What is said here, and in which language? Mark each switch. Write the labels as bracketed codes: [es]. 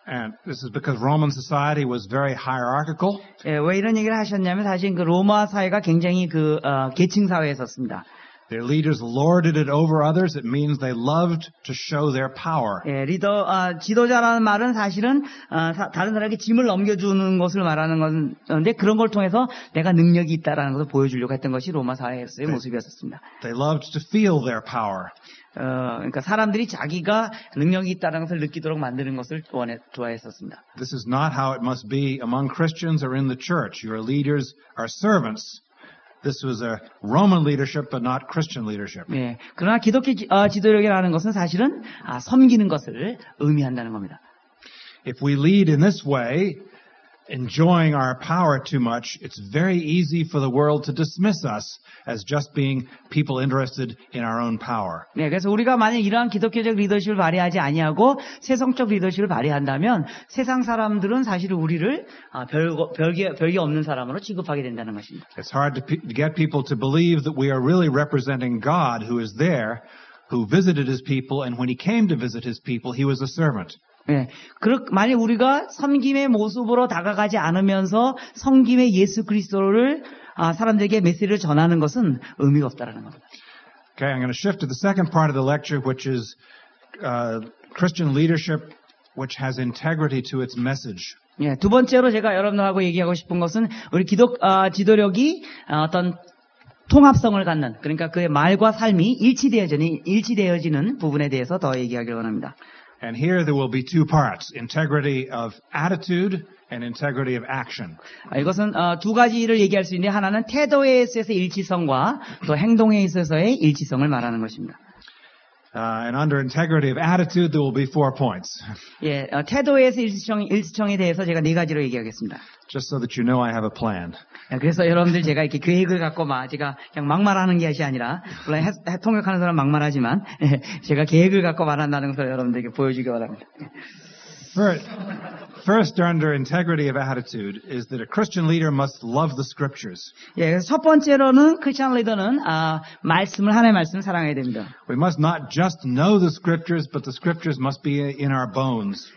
[en] And this is because Roman society was very hierarchical. [ko] 예, 왜 이런 얘기를 하셨냐면 사실 그 로마 사회가 굉장히 그 계층 사회였었습니다. [en] Their leaders lorded it over others. It means they loved to show their power. [ko] 예, 리더 지도자라는 말은 사실은 다른 사람에게 짐을 넘겨주는 것을 말하는 건데 그런 걸 통해서 내가 능력이 있다라는 것을 보여주려고 했던 것이 로마 사회에서의 모습이었습니다. [en] They loved to feel their power. [ko] 그러니까 사람들이 자기가 능력이 있다는 것을 느끼도록 만드는 것을 좋아했었습니다. [en] This is not how it must be among Christians or in the church. Your leaders are servants. This was a Roman leadership, but not Christian leadership. [ko] 예, 그러나 기독교 지도력이라는 것은 사실은 섬기는 것을 의미한다는 겁니다. [en] If we lead in this way, enjoying our power too much, it's very easy for the world to dismiss us as just being people interested in our own power. [ko] 네, 그래서 우리가 만약 이러한 기독교적 리더십을 발휘하지 아니하고 세속적 리더십을 발휘한다면 세상 사람들은 사실 우리를 별개 없는 사람으로 취급하게 된다는 것입니다. [en] It's hard to get people to believe that we are really representing God who is there, who visited his people, and when he came to visit his people, he was a servant. [ko] 예, 만약 우리가 섬김의 모습으로 다가가지 않으면서 섬김의 예수 그리스도를 사람들에게 메시지를 전하는 것은 의미가 없다라는 겁니다. [en] Okay, I'm going to shift to the second part of the lecture, which is Christian leadership which has integrity to its message. [ko] 예, 두 번째로 제가 여러분들하고 얘기하고 싶은 것은 우리 기독 지도력이 어떤 통합성을 갖는 그러니까 그의 말과 삶이 일치되어지는 부분에 대해서 더 얘기하기를 원합니다. [en] And here there will be two parts, integrity of attitude and integrity of action. [ko] 이것은 두 가지를 얘기할 수 있는데 하나는 태도에 있어서 일치성과 또 행동에 있어서의 일치성을 말하는 것입니다. [en] And under integrity of attitude there will be four points. [ko] 예, 태도에서 일치성에 대해서 제가 네 가지로 얘기하겠습니다. [en] Just so that you know I have a plan. [ko] 그래서 여러분들 제가 이렇게 계획을 갖고 막 제가 그냥 막말하는 것이 아니라 물론 통역하는 사람 막말하지만 제가 계획을 갖고 말한다는 것을 여러분들에게 보여주기 바랍니다. [en] First, under integrity of attitude is that a Christian leader must love the scriptures. [ko] 예, 첫 번째로는 크리스천 리더는 말씀을 하나님의 말씀을 사랑해야 됩니다. [en] We must not just know the scriptures, but the scriptures must be in our bones.